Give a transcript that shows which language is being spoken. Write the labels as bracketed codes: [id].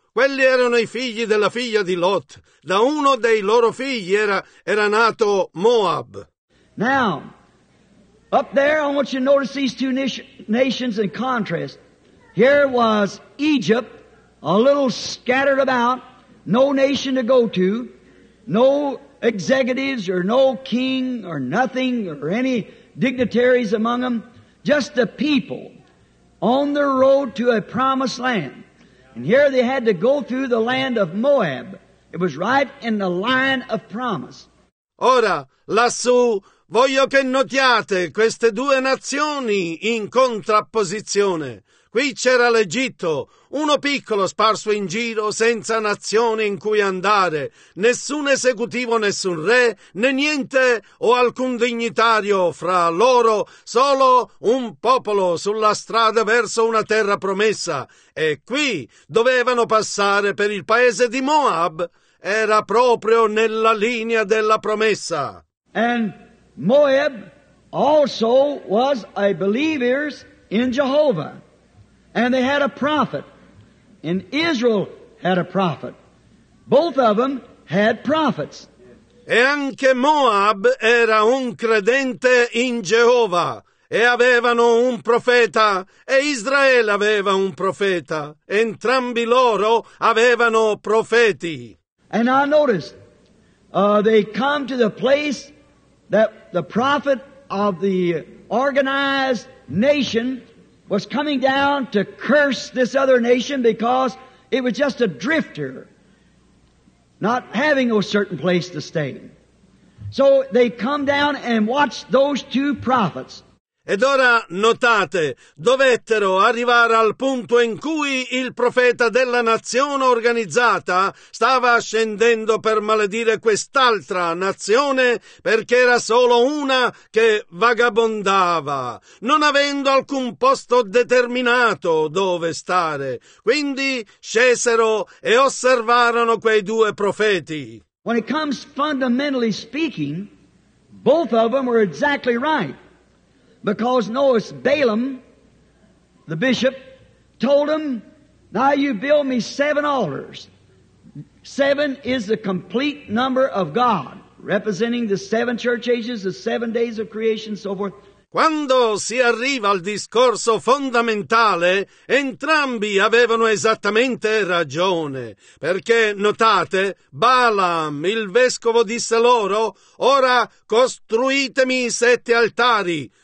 [it] Quelli erano i figli della figlia di Lot. Da uno dei loro figli era nato Moab. [en] Now, up there, I want you to notice these two nations in contrast. Here was Egypt, a little scattered about, no nation to go to, no executives or no king or nothing or any dignitaries among them, just the people on their road to a promised land. And here they had to go through the land of Moab. It was right in the line of promise. [it] Ora, lassù, voglio che notiate queste due nazioni in contrapposizione. Qui c'era l'Egitto, uno piccolo sparso in giro senza nazione in cui andare, nessun esecutivo, nessun re, né niente o alcun dignitario fra loro, solo un popolo sulla strada verso una terra promessa. E qui dovevano passare per il paese di Moab, era proprio nella linea della promessa. [en] And Moab also was a believer in Jehovah, and they had a prophet, and Israel had a prophet. Both of them had prophets. [it] E anche Moab era un credente in Jehovah, e avevano un profeta, e Israele aveva un profeta. Entrambi loro avevano profeti. [en] And I noticed, they come to the place that the prophet of the organized nation was coming down to curse this other nation because it was just a drifter, not having no certain place to stay. So they come down and watch those two prophets. [it] Ed ora notate, dovettero arrivare al punto in cui il profeta della nazione organizzata stava scendendo per maledire quest'altra nazione perché era solo una che vagabondava, non avendo alcun posto determinato dove stare. Quindi scesero e osservarono quei due profeti. [en] When it comes fundamentally speaking, both of them were exactly right. Because notice, Balaam, the bishop, told him, now you build me 7 altars. 7 is the complete number of God, representing the 7 church ages, the 7 days of creation, so forth. [it] Quando si arriva al discorso fondamentale, entrambi avevano esattamente ragione. Perché, notate, Balaam, il vescovo, disse loro, ora costruitemi 7 altari.